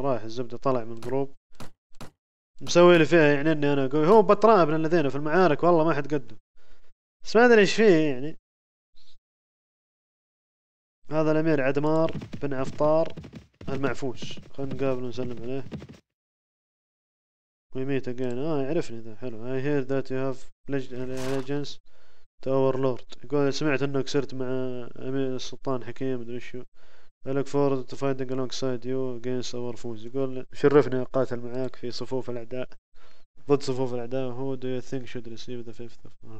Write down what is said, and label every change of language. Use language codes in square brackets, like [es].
[ar] رايح الزبدة، طلع من جروب مسوي لي فيها يعني اني انا قوي. هو بطران من الذين في المعارك والله ما حد قدم، بس ما ادري ايش فيه يعني. هذا الامير عدمار بن عفطار المعفوش، خلينا نقابله ونسلم عليه. [en] We meet again. [ar] يعرفني ذا، حلو. [en] I hear that you have pledged allegiance to our lord. [ar] يقول سمعت انك صرت مع امير السلطان حكيم مدري شو. [en] I look forward to fighting alongside you against our foes. [ar] يقول شرفني اقاتل معاك في صفوف الاعداء، ضد صفوف الاعداء. [en] Who do you think should receive the fifth of...